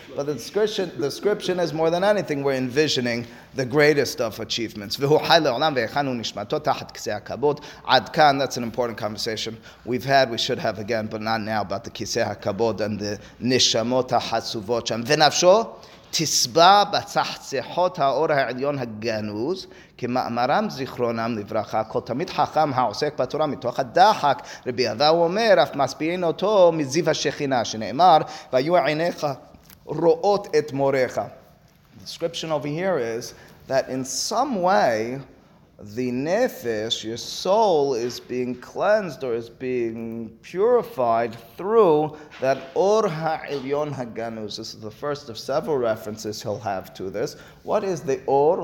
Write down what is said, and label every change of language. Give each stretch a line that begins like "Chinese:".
English: But the description is, more than anything, we're envisioning the greatest of achievements. That's an important conversation we've had, we should have again, but not now, about the Kiseh HaKabod and the Nishamot HaHatsuvot Sham.
Hebrew: V'nafsho tisba batzachzehot ha'or ha'elyon ha'ganuz, כמאמרם זיכרונם לברכה, כל תמיד חכם העוסק בתורה מתוך הדחק, רבי אבא אומר, אף מספיעין אותו מזיו השכינה, שנאמר, והיו עיניך רואות את מוריך.
English: The description over here is that in some way, the nefesh, your soul, is being cleansed or is being purified through that Or Ha'ilyon HaGanuz. This is the first of several references he'll have to this. What is the Or?